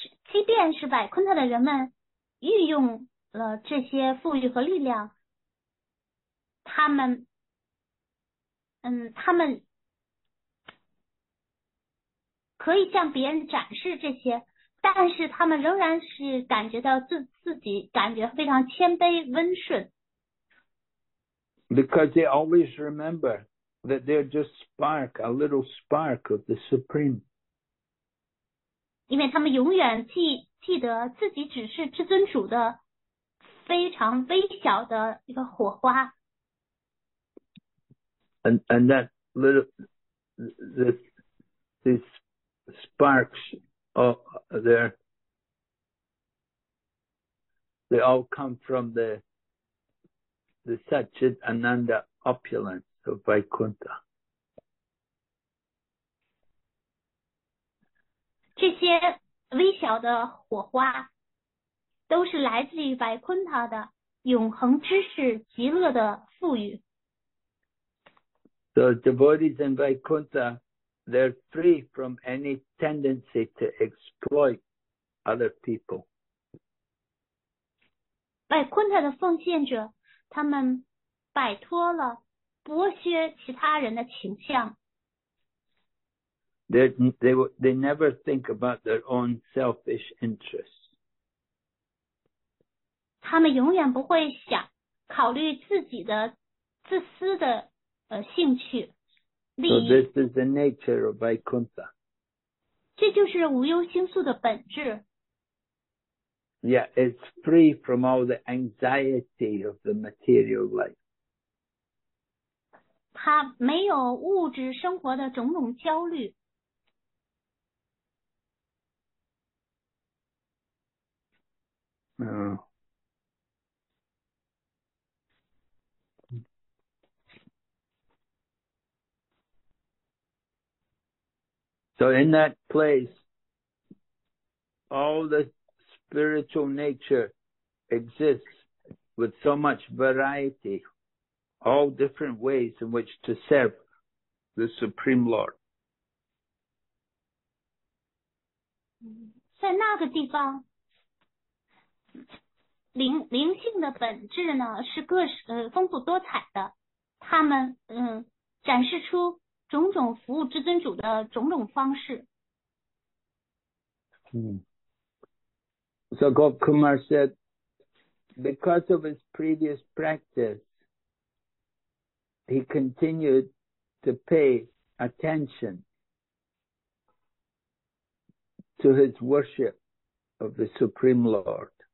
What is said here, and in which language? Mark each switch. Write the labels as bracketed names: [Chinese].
[Chinese] 即便是百昆特的人们运用了这些富裕和力量，他们可以向别人展示这些，但是他们仍然是感觉到自己感觉非常谦卑温顺。 [English] Because they always remember that they're just spark, a little spark of the Supreme. [Chinese] 因为他们永远记得自己只是至尊主的非常微小的一个火花。 [English] And that little, this sparks, they all come from the Satchit Ananda opulence of Vaikuntha. [Chinese] 这些微小的火花都是来自于Vaikuntha的永恒知识极乐的富裕。 [English] So devotees in Vaikuntha, they're free from any tendency to exploit other people. [Chinese] Vaikuntha 的奉献者，他们摆脱了剥削其他人的倾向。 [English] They never think about their own selfish interests. [Chinese] 他们永远不会想考虑自己的自私的兴趣利益。 [English] So this is the nature of Vaikuntha. [Chinese] 这就是无忧心素的本质。 [English] Yeah, it's free from all the anxiety of the material life. [Chinese] 他没有物质生活的种种焦虑。 [English] So in that place, all the spiritual nature exists with so much variety, all different ways in which to serve the Supreme Lord. [Chinese] 在那个地方，灵性的本质呢是丰富多彩的，他们展示出种种服务至尊主的种种方式。 [English] So Gopkumar said, because of his previous practice, he continued to pay attention to his worship of the Supreme Lord.